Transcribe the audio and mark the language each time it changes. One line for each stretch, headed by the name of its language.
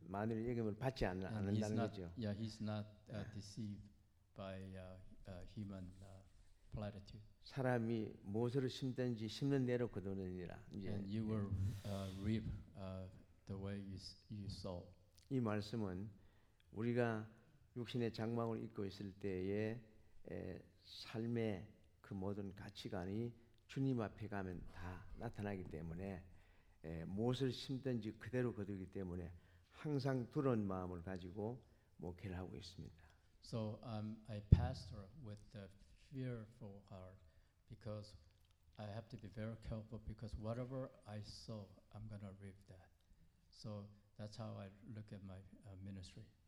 Korean: 만홀이 여김을 받지 않는다는 거죠.
English: Yeah, he's not deceived by human platitude.
Korean: 사람이 무엇을 심든지 심는 대로 거두느니라.
English: And you will reap the way you sow.
Korean: 이 말씀은 우리가 육신의 장막을 입고 있을 때에 삶의 그 모든 가치관이 주님 앞에 가면 다 나타나기 때문에 무엇을 심든지 그대로 거두기 때문에 항상 두려운 마음을 가지고 목회를 하고 있습니다.
English: So I pastor with a fearful heart. Because I have to be very careful because whatever I sow, I'm going to reap that. So that's how I look at my ministry.